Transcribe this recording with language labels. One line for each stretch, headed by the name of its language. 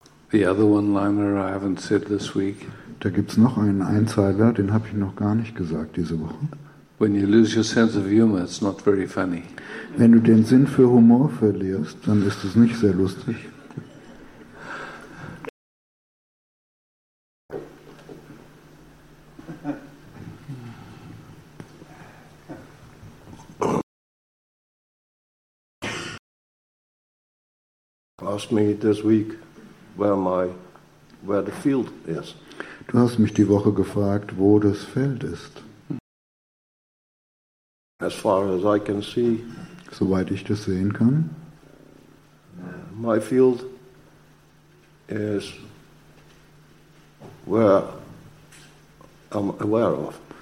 English: The other one-liner I haven't said this week.
German: Da gibt's noch einen Einzeiler, den habe ich noch gar nicht gesagt diese Woche.
English: When you lose your sense of humor, it's not very funny.
German: Wenn du den Sinn für Humor verlierst, dann ist es nicht sehr lustig.
English: asked me this week where the field is.
German: Du hast mich die Woche gefragt, wo das Feld ist.
English: As far as I can see,
German: soweit ich das sehen kann,
English: my field is where I'm aware of.